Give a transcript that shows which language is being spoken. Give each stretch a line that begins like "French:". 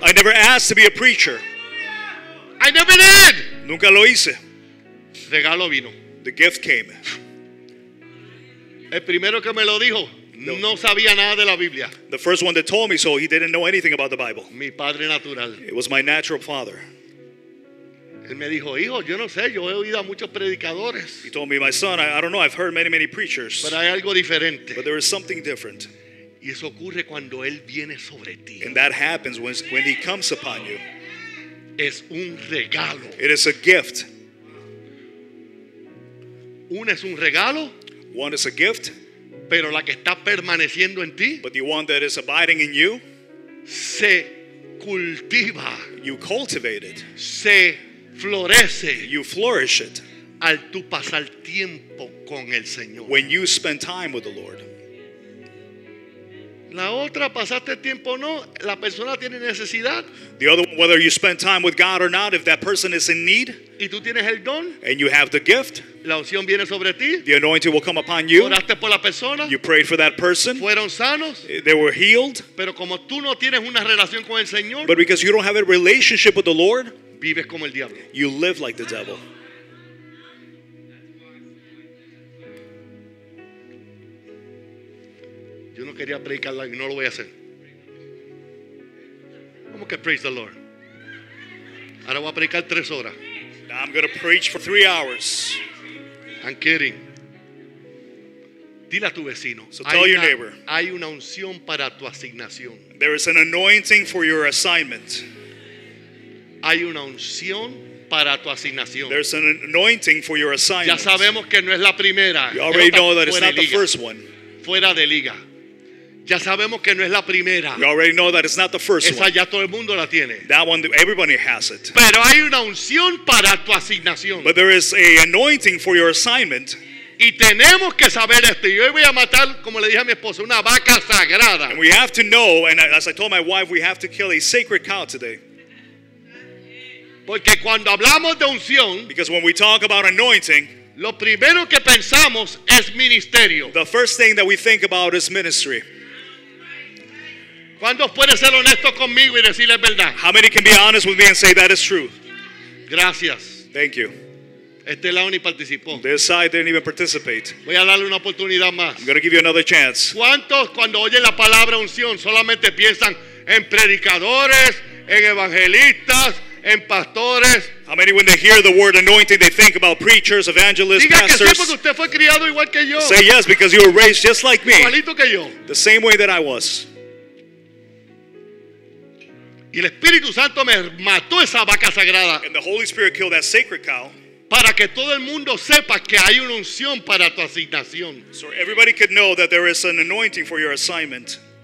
English: I never asked to be a preacher. I never did.
Spanish: Nunca lo hice. Regalo vino.
English: The gift came.
Spanish: El primero que me lo dijo. No. No sabía nada de la Biblia.
English: The first one that told me so, he didn't know anything about the Bible.
Spanish: Mi padre natural.
English: It was my natural father.
Spanish: Él me dijo, hijo, yo no sé, yo he oído a muchos predicadores.
English: He told me, my son, I don't know, I've heard many preachers.
Spanish: Pero hay algo diferente.
English: But there is something different.
Spanish: Y eso ocurre cuando él viene sobre ti.
English: And that happens when he comes upon you.
Spanish: Es un regalo.
English: It is a gift.
Spanish: Uno es un regalo.
English: One is a gift.
Spanish: Pero la que está permaneciendo en ti,
English: but the one that is abiding in you,
Spanish: se cultiva.
English: You cultivate it.
Spanish: Se florece.
English: You flourish it.
Spanish: Al tú pasar tiempo con el Señor.
English: When you spend time with the Lord.
Spanish: La otra, pasaste tiempo o no, la persona tiene necesidad.
English: The other, whether you spend time with God or not, if that person is in need.
Spanish: Y tú tienes el don.
English: And you have the gift.
Spanish: La unción viene sobre ti.
English: The anointing will come upon you.
Spanish: Oraste por la persona.
English: You prayed for that person.
Spanish: Fueron sanos.
English: They were healed.
Spanish: Pero como tú no tienes una relación con el Señor.
English: But because you don't have a relationship with the Lord.
Spanish: Vives como el diablo.
English: You live like the devil.
Spanish: Yo no quería predicarla y no lo voy a hacer. ¿Cómo que
English: praise the Lord?
Spanish: Ahora voy a predicar tres horas.
English: Now I'm going to preach for 3 hours. I'm kidding.
Spanish: Dile a tu vecino.
English: So tell your neighbor.
Spanish: Hay una unción para tu asignación.
English: There is an anointing for your assignment.
Spanish: Hay una unción para tu asignación.
English: There's an anointing for your assignment.
Spanish: Ya sabemos que no es la primera.
English: You already know that it's not the first one.
Spanish: Fuera de liga. Ya sabemos que no es la primera.
English: You already know that it's not the first
Spanish: one. Esa ya todo el mundo la tiene.
English: That one, everybody has it.
Spanish: Pero hay una unción para tu asignación.
English: But there is a anointing for your assignment.
Spanish: Y tenemos que saber esto. Yo voy a matar, como le dije a mi esposa, una vaca sagrada.
English: And we have to know, and as I told my wife, we have to kill a sacred cow today.
Spanish: Porque cuando hablamos de unción,
English: because when we talk about anointing,
Spanish: lo primero que pensamos es ministerio.
English: The first thing that we think about is ministry.
Spanish: ¿Cuántos pueden ser honestos conmigo y decirle verdad?
English: How many can be honest with me and say that is true?
Spanish: Gracias.
English: Thank you.
Spanish: Este lado ni participó.
English: This side didn't even participate.
Spanish: Voy a darle una oportunidad más.
English: I'm going to give you another chance.
Spanish: ¿Cuántos cuando oyen la palabra unción solamente piensan en predicadores, en evangelistas, en pastores?
English: How many when they hear the word anointing they think about preachers, evangelists,
Spanish: diga
English: pastors?
Spanish: Diga que sí porque usted fue criado igual que yo.
English: Say yes because you were raised just like me.
Spanish: Igualito que yo.
English: The same way that I was.
Spanish: Y el Espíritu Santo me mató esa vaca sagrada.
English: And the Holy Spirit killed that sacred cow.
Spanish: Para que todo el mundo sepa que hay una unción para tu asignación.
English: So everybody could know that there is an anointing for your assignment.